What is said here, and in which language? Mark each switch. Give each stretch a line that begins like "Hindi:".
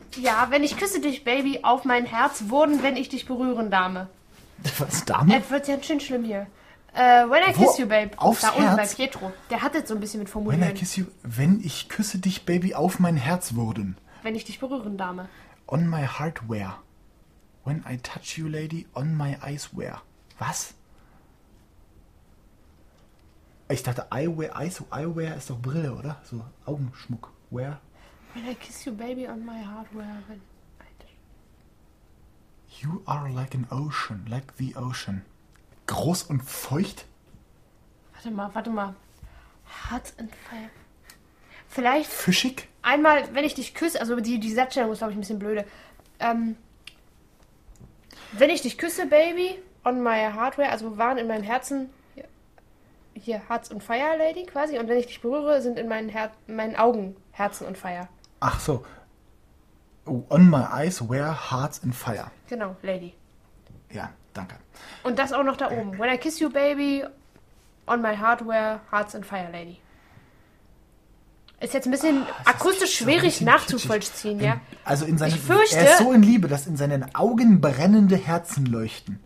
German: Ja, wenn ich küsse dich, Baby, auf mein Herz wurden, wenn ich dich berühren, Dame. Was, Dame? Es wird ja schön schlimm hier.
English: When I
German: Wo?
English: Kiss you, Babe.
German: Aufs da Herz? Unten bei Pietro. Der hat jetzt so ein bisschen mit formuliert.
English: When I kiss you,
German: wenn ich küsse dich, Baby, auf mein Herz wurden. Wenn ich dich berühren, Dame.
English: On my heart wear. When I touch you, Lady, on my eyes wear.
German: Was? Ich dachte, I wear ist doch Brille, oder? So Augenschmuck. Wear.
English: When I kiss you, baby, on my hardware, when I touch You are like an ocean, like the ocean.
German: Groß und feucht? Warte mal.
English: Hard and fire.
German: Vielleicht... Fischig? Einmal, wenn ich dich küsse, also die Satzstellung ist, glaube ich, ein bisschen blöde. Wenn ich dich küsse, Baby,
English: on my hardware,
German: also waren in meinem Herzen... Hier, Herz und Feier, Lady, quasi. Und wenn ich dich berühre, sind in meinen Augen Herzen und Feier. Ach so.
English: On my eyes wear hearts and fire.
German: Genau, Lady. Ja, danke. Und das auch noch da oben.
English: When I kiss you, baby, on my hardware, hearts and fire, Lady.
German: Ist jetzt ein bisschen akustisch schwierig so nachzuvollziehen, ja? Also in seinen, er ist so in Liebe, dass in seinen Augen brennende Herzen leuchten.